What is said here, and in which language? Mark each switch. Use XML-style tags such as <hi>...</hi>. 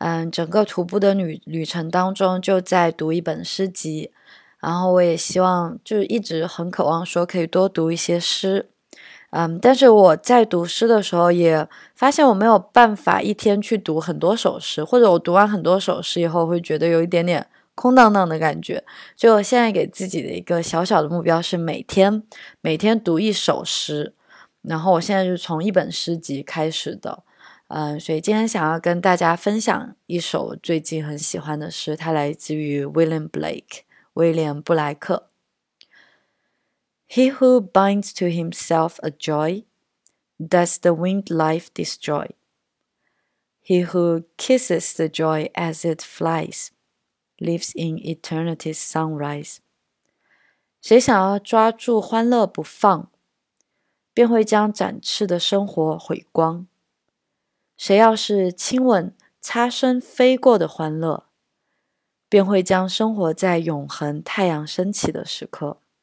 <zh>整个徒步的旅程当中就在读一本诗集，然后我也希望就一直很渴望说可以多读一些诗，但是我在读诗的时候也发现我没有办法一天去读很多首诗，或者我读完很多首诗以后会觉得有一点点空荡荡的感觉，就我现在给自己的一个小小的目标是每天读一首诗，然后我现在就从一本诗集开始的。所以今天想要跟大家分享一首最近很喜欢的诗，它来自于 William Blake，威廉·布莱克。</zh> <en>He who binds to himself a joy, does the winged life destroy. He who kisses the joy as it flies, lives in eternity's sunrise.</en> <zh>谁想要抓住欢乐不放，便会将展翅的生活毁光。谁要是亲吻擦身飞过的欢乐，便会将生活在永恒太阳升起的时刻。</zh>